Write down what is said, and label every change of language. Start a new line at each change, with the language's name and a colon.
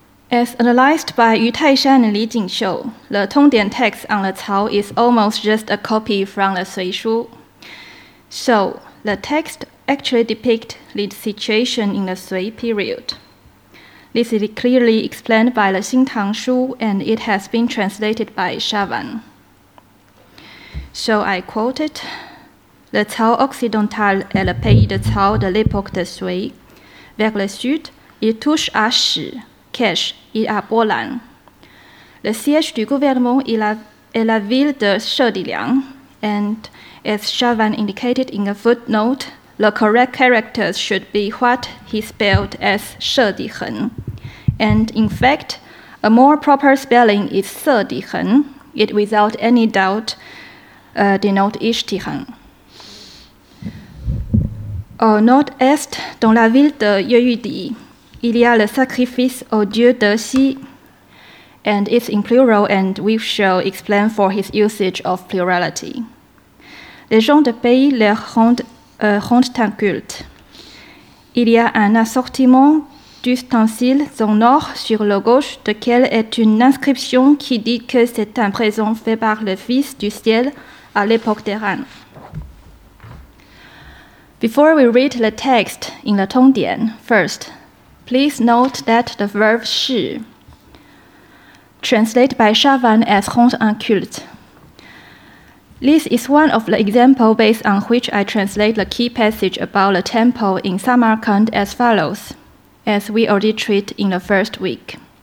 English: As analyzed by Yu Taishan and Li Jingshou, the Tongdian text on the Cao is almost just a copy from the Sui Shu. So the text actually depict the situation in the Sui period. This is clearly explained by the Xin Tang Shu, and it has been translated by Shavan. So I quoted,
French: "Le Cao occidental est le pays de Cao de l'époque de Sui. Vers le sud, il touche à Shi, Kesh, et à Bolan. Le siège du gouvernement est la ville de Shediliang,
English: and as Shavan indicated in a footnote, the correct characters should be what he spelled as Shedihen. And in fact, a more proper spelling is Shedihen. It without any doubt denotes Ishtihan.
French: Au nord-est, dans la ville de Yehudi, il y a le sacrifice au dieu de Xi.
English: And it's in plural, and we shall explain for his usage of plurality.
French: Les gens de pays le rendent un culte. Il y a un assortiment d'ustensiles au nord sur le gauche de quel est une inscription qui dit que c'est un présent fait par le Fils du Ciel à l'époque des reines.
English: Before we read the text in the Tongdian, first, please note that the verb shi, translated by Shavan as
French: rendre un culte.
English: This is one of the examples based on which I translate the key passage about the temple in Samarkand as follows, as we already treat in the first week.